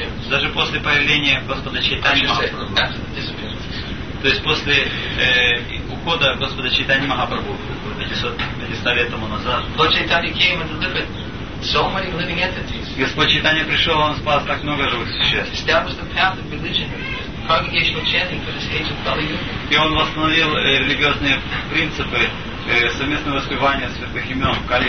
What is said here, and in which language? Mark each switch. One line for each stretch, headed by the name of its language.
Russian: Даже после появления Господа Чайтани Махапрабху. То есть после ухода Господа Чайтани Махапрабху 500 лет тому назад.
English: Lord Chaitanya came and delivered so many living entities.
Russian: Господь Чайтанья пришел, он спас так много живых существ.
English: Established the path of religion, congregational chanting for this age of Kali Yuga.
Russian: И он восстановил религиозные принципы совместного воспевания святых имен в Кали